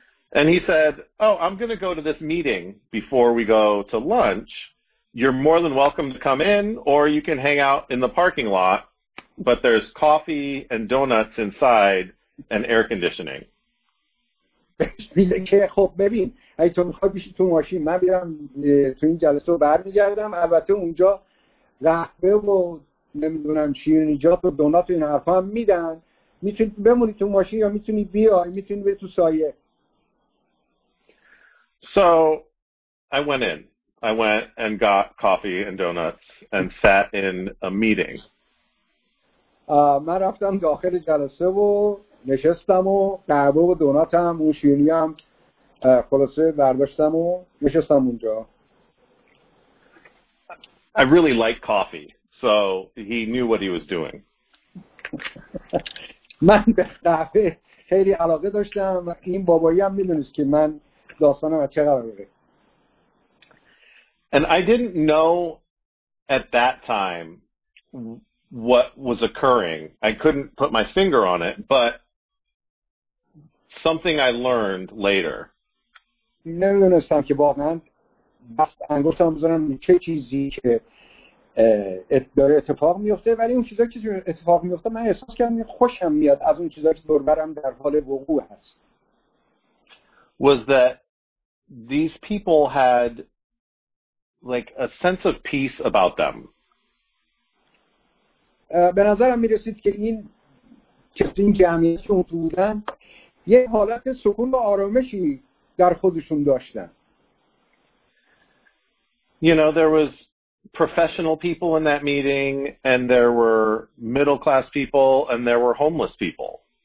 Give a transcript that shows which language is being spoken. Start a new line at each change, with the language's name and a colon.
English: And he said, oh, I'm going to go to this meeting before we go to lunch. You're more than welcome to come in, or you can hang out in the parking lot, but there's coffee and donuts inside and air conditioning.
Persian: میگه که خب ببین اگه تو میخوای بشی تو ماشین من بیرم تو این جلسه رو برمیگردم البته اونجا قهوه و نمیدونم شیرینیجات و دونات و این حرفا هم میدن میتونی بمونی تو ماشین یا میتونی بیای میتونی بری تو سایه.
English: So I went in. I went and got coffee and donuts and sat in a meeting.
Persian: من رفتم داخل جلسه و نشستم و قهوه و دوناتم و شیرینی هم خلاصه برداشتم و نشستم اونجا.
English: I really like coffee, so he knew what he was doing.
Persian: من به قهوه خیلی علاقه داشتم و این بابایی هم میدونست که من داستانم از چه قراره.
English: And I didn't know at that time what was occurring. I couldn't put my finger on it, but something I learned later.
Persian: نمی‌دونستم که واقعا دست انگشتم بزنم چه چیزی که داره اتفاق میفته ولی اون چیزایی که اتفاق میفته من احساس کردم خوشم میاد از اون چیزایی که دور برم در حال وقوع هست.
English: Was that these people had like a sense of peace about them.
Persian: به نظرم میرسید که این کسی این جمعیت که اون تو بودن یه حالت سکون و آرامشی در خودشون داشتن.
English: You know, there was professional people in that meeting and there were middle class people and there were homeless people.